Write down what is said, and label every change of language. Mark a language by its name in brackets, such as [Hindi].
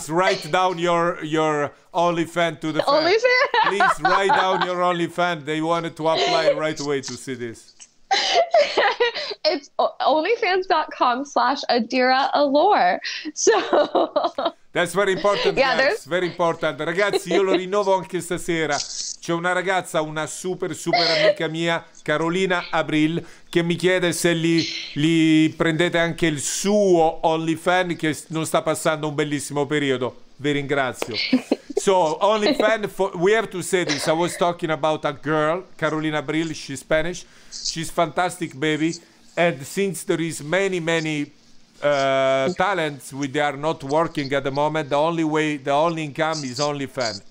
[English] Please write down your OnlyFans to the fan. OnlyFans? Please write down your OnlyFans. They wanted to apply right away to see this. It's onlyfans.com/AdiraAllure. So that's very important. Yeah, that's very important, ragazzi. [Italian] Io lo rinnovo anche stasera. C'è una ragazza, una super super amica mia, Carolina Abril, che mi chiede se li prendete anche il suo OnlyFans, che non sta passando un bellissimo periodo. Vi ringrazio. [English] So OnlyFans, we have to say this. I was talking about a girl, Carolina Abril. She's Spanish. She's fantastic, baby. And since there is many talents which they are not working at the moment, the only income is OnlyFans.